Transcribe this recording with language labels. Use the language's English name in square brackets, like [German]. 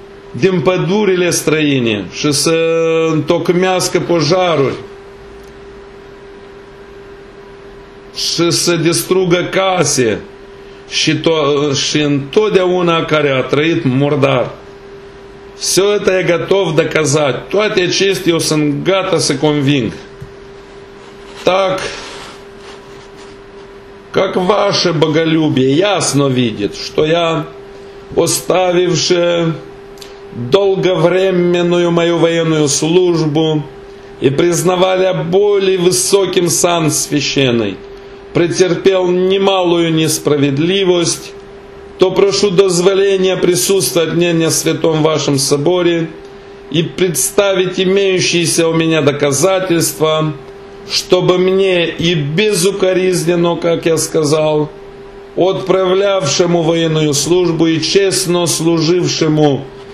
[Romanian] din pădurile străine și să întocmească pojaruri și să distrugă case și întotdeauna care a trăit murdar. [Russian] Все это я готов доказать. [Romanian] Toate acestea eu sunt gata să conving. [Russian] Так, как ваше боголюбие ясно видит, что я оставивши долговременную мою военную службу и признавали более высоким сан священный, претерпел немалую несправедливость, то прошу дозволения присутствовать в мнении святом вашем соборе и представить имеющиеся у меня доказательства, чтобы мне и безукоризненно, как я сказал, отправлявшему военную службу и честно служившему